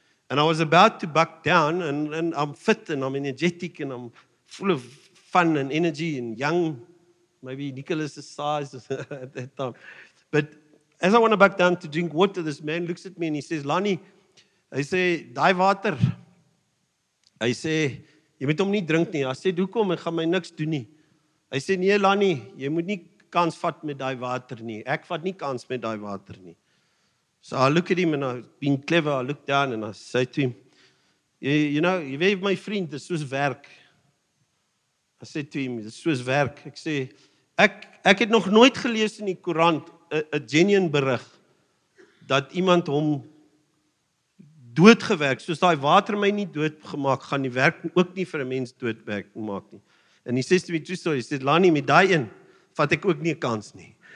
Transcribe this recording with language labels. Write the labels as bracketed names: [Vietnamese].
[English] And I was about to buck down and I'm fit and I'm energetic and I'm full of fun and energy and young, maybe Nicholas's size at that time. But as I want to back down to drink water, this man looks at me and he says, Lani, I say, [Afrikaans] die water. I say, jy moet hom nie drink nie. I said, hoekom, ek gaan my niks doen nie. I say, nee Lani, jy moet nie kans vat met die water nie. Ek vat nie kans met die water nie. [English] So I look at him and I, being clever, I look down and I say to him, you know, [Afrikaans] jy weet my vriend, dis soos werk. [English] I said to him, [Afrikaans] dis soos werk. Ek sê, ek het nog nooit gelees in die koerant, a genuine berig, dat iemand hom doodgewerk, soos die water my nie doodgemaak, gaan die werk ook nie vir 'n mens doodwerk maak nie. [English] And he says to me, true story, he says, Lani, [Afrikaans] met die een, vat ek ook nie 'n kans nie.